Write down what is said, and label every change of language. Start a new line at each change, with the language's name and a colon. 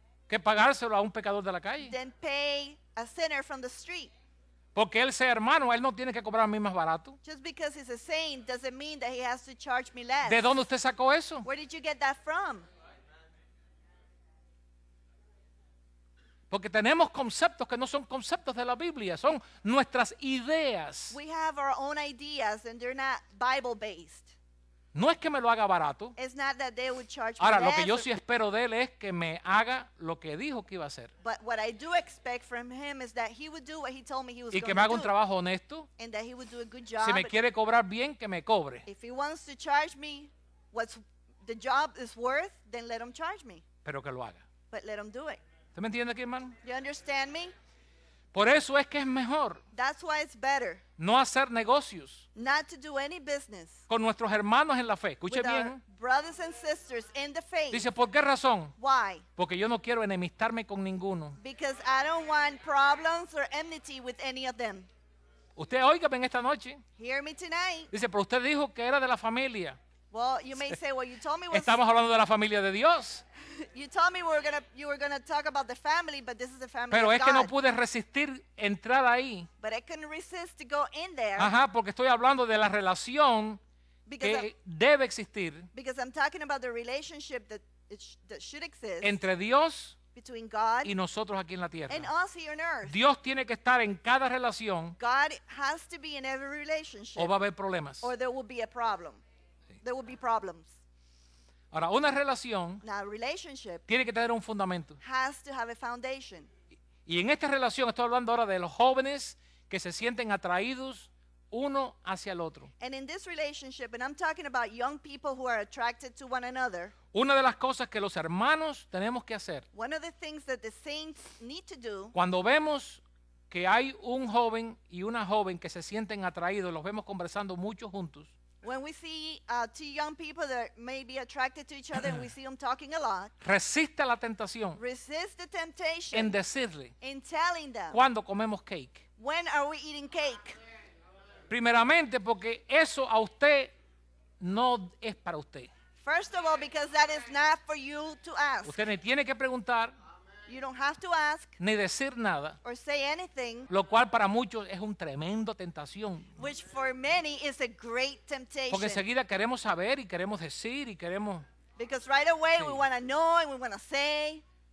Spanish: que pagárselo a un pecador de la calle,
English: than pay a sinner from the street.
Spanish: Porque él sea hermano, él no tiene que cobrar a mí más barato.
English: Just because he's a saint doesn't mean that he has to charge me less.
Spanish: ¿De dónde usted sacó eso?
English: Where did you get that from?
Spanish: Porque tenemos conceptos que no son conceptos de la Biblia, son nuestras ideas.
English: We have our own ideas and they're not Bible based.
Spanish: No es que me lo haga barato.
English: It's not that they would charge.
Spanish: Ahora, lo que yo sí espero de él es que me haga lo que dijo que iba a hacer.
English: But what I do expect from him is that he would do what he told me he was going to
Spanish: do. Y que me haga un trabajo honesto.
English: And that he would do a good job.
Spanish: Si me quiere cobrar bien, que me cobre.
English: If he wants to charge me what the job is worth, then let him charge me.
Spanish: Pero que lo haga.
English: But let him do it.
Spanish: ¿Usted me entiende aquí, hermano?
English: You understand me?
Spanish: Por eso es que es mejor.
English: That's why it's better.
Spanish: No hacer negocios.
English: Not to do any business.
Spanish: Con nuestros hermanos en la fe. Escuche
English: with
Spanish: bien.
English: Our brothers and sisters in the faith.
Spanish: Dice, ¿por qué razón?
English: Why?
Spanish: Porque yo no quiero enemistarme con ninguno.
English: Because I don't want problems or enmity with any of them.
Spanish: Usted oiga bien esta noche.
English: Hear me tonight.
Spanish: Dice, pero usted dijo que era de la familia.
English: Well, you may say, well, you told me was,
Spanish: estamos hablando de la familia de Dios.
English: You told me you were gonna talk about the family, but this is the family
Spanish: pero
English: of
Spanish: es
English: God.
Spanish: Que no pude resistir entrar ahí.
English: But I couldn't resist to go in there.
Spanish: Ajá, porque estoy hablando de la relación que debe existir.
English: Because I'm talking about the relationship that that should exist.
Spanish: Entre Dios
English: between God
Spanish: y nosotros aquí en la tierra.
English: And us here on earth.
Spanish: Dios tiene que estar en cada relación.
English: God has to be in every relationship.
Spanish: O va a haber problemas.
English: Or there will be a problem. There will be problems.
Spanish: Ahora, una relación,
English: now, a relationship,
Spanish: tiene que tener un fundamento,
English: has to have a foundation.
Spanish: Y en esta relación estoy hablando ahora de los jóvenes que se sienten atraídos uno hacia el otro.
English: And in this relationship, and I'm talking about young people who are attracted to one another,
Spanish: una de las cosas que los hermanos tenemos que hacer,
English: one of the things that the saints need to do,
Spanish: cuando vemos que hay un joven y una joven que se sienten atraídos, los vemos conversando mucho juntos.
English: When we see two young people that may be attracted to each other and we see them talking a lot,
Spanish: resiste la tentación,
English: resist the temptation
Spanish: en decirle,
English: in telling them,
Spanish: ¿cuándo comemos cake?
English: When are we eating cake?
Spanish: Primeramente porque eso a usted no es para usted.
English: First of all, because that is not for you to ask.
Spanish: Usted ni tiene que preguntar.
English: You don't have to ask,
Spanish: ni decir nada,
English: or say anything,
Spanish: lo cual para muchos es un tremendo tentación,
English: which for many is a great temptation.
Spanish: Porque enseguida queremos saber y queremos decir y queremos,
English: because right away sí, we want to know and we want to say,